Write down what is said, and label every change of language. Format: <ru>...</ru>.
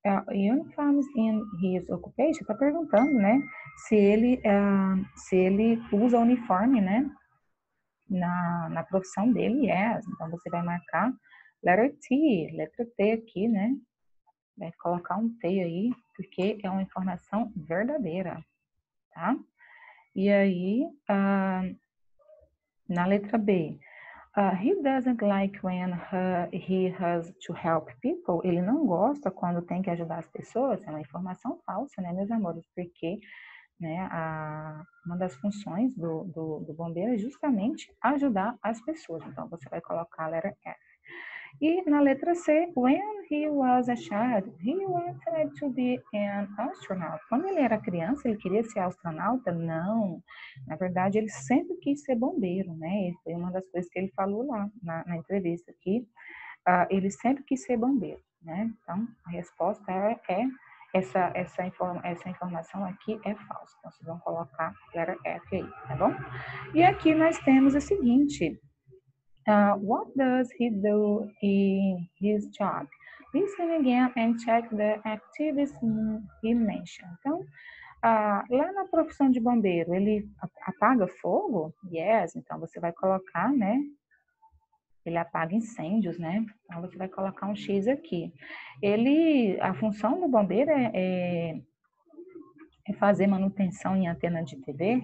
<en>Uniforms in his occupation,</en> <pt>tá perguntando, né, se ele usa uniforme, né, na profissão dele. Yes, então você vai marcar letra T aqui, né, vai colocar um T aí, porque é uma informação verdadeira, tá? E aí, na letra B.</pt> <en>He doesn't like when he has to help people.</en> <pt>Ele não gosta quando tem que ajudar as pessoas. É uma informação falsa, né, meus amores? Porque, né, uma das funções do bombeiro é justamente ajudar as pessoas. Então, você vai colocar a letra F. E na letra C,</pt> <en>when he was a child, he wanted to be an astronaut.</en> <pt>Quando ele era criança, ele queria ser astronauta? Não. Na verdade, ele sempre quis ser bombeiro, né? E foi uma das coisas que ele falou lá na entrevista aqui. Ele sempre quis ser bombeiro, né? Então, a resposta é essa informação aqui é falsa. Então, vocês vão colocar letter F aí, tá bom? E aqui nós temos o seguinte.</pt> <en>What does he do in his job? Listen again and check the activities he mentioned.</en> <pt>Então, lá na profissão de bombeiro, ele apaga fogo? Yes. Então, você vai colocar, né? Ele apaga incêndios, né? Então, você vai colocar um X aqui. Ele, a função do bombeiro é fazer manutenção em antena de TV?</pt>